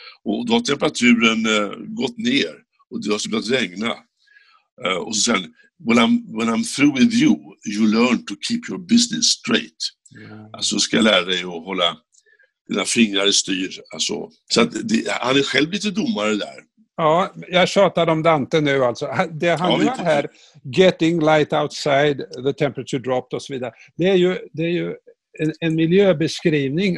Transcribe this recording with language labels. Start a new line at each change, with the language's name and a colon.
Swedish: Och då har temperaturen gått ner och det har börjat regna. Och så säger han,
English: when I'm through with you, you learn to keep your business straight. Yeah.
Swedish: Alltså ska jag lära dig att hålla dina fingrar i styr. Alltså. Så att han är själv lite domare där. Ja, jag tjatar om Dante nu alltså. Det han gör här,
English: getting light outside, the temperature dropped
Swedish: och så vidare. Det är ju en miljöbeskrivning.